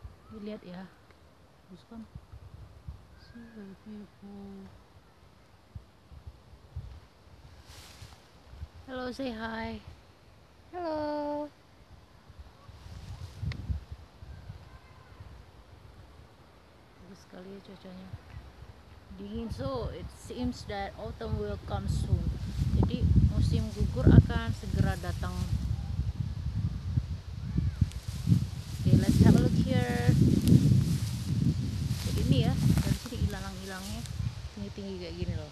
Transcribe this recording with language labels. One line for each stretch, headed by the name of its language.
Indonesian: Lihat ya. Bagus kan?
English: So beautiful. Hello, say hi. Hello.
Indonesian: Bagus sekali ya cuacanya.
English: Dingin, so it seems that autumn will come soon.
Indonesian: Jadi musim gugur akan segera datang.
English: Okay, let's have a look here.
Indonesian: Jadi ini ya, dari sini ilalang-ilangnya tinggi-tinggi kayak gini loh.